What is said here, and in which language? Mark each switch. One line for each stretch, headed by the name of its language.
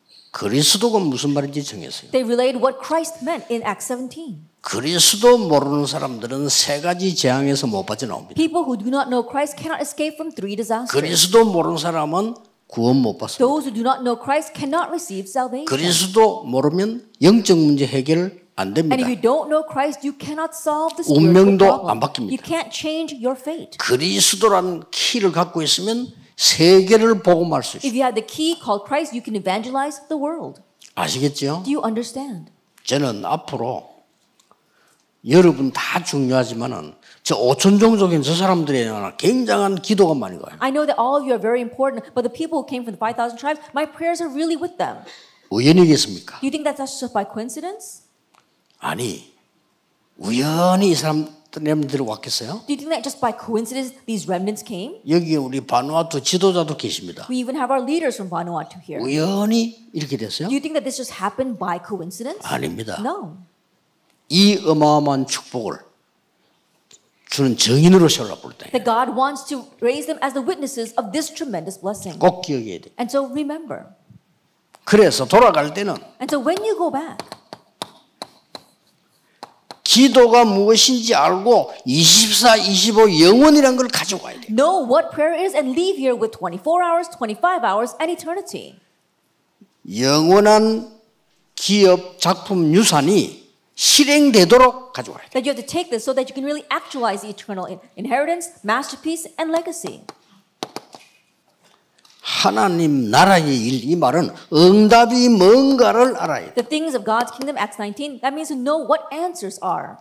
Korean: 그리스도가 무슨 말인지 정했어요.
English: They relayed what Christ meant in Acts 17.
Korean: 그리스도 모르는 사람들은 세 가지 재앙에서 못 빠져나옵니다.
English: People who do not know Christ cannot escape from three disasters.
Korean: 그리스도 모르는 사람은 구원 못 받습니다.
English: Those who do not know Christ cannot receive salvation.
Korean: 그리스도 모르면 영적 문제 해결 안 됩니다.
English: And if you don't know Christ, you cannot solve the
Korean: spiritual 운명도 안 바뀝니다.
English: You can't change your fate.
Korean: 그리스도라는 키를 갖고 있으면 세계를 복음할 수 있습니다.
English: If you have the key called Christ, you can evangelize the world.
Korean: 아시겠죠?
English: Do you understand?
Korean: 저는 앞으로 여러분 다 중요하지만은 저 5천 종족인 저 사람들에 대한 굉장한 기도가 많이 가요.
English: I know that all of you are very important, but the people who came from the 5,000 tribes, my prayers are really with them.
Korean: 우연이겠습니까?
English: Do you think that's just by coincidence?
Korean: 아니, 우연히 이 사람 렘넌트들이 왔겠어요?
English: Do you think that just by coincidence these remnants came?
Korean: 여기 우리 바누아투 지도자도 계십니다.
English: We even have our leaders from Vanuatu here.
Korean: 우연히 이렇게 됐어요?
English: Do you think that this just happened by coincidence?
Korean: 아닙니다.
English: No.
Korean: 이 어마어마한 축복을 주는 증인으로 세워라 볼 때.
English: That God wants to raise them as the witnesses of this tremendous blessing.
Korean: 꼭 기억해야 돼.
English: And so remember.
Korean: 그래서 돌아갈 때는.
English: And so when you go back.
Korean: 기도가 무엇인지 알고 24, 25 영원이란 걸 가져와야 돼.
English: Know what prayer is and leave here with 24 hours, 25 hours, and eternity.
Korean: 영원한 기업 작품 유산이 실행되도록 가져와야 돼.
English: That you have to take this so that you can really actualize the eternal inheritance, masterpiece, and legacy.
Korean: 하나님 나라의 일 이 말은 응답이 뭔가를 알아야 돼.
English: The things of God's kingdom, Acts 19, that means to know what answers are.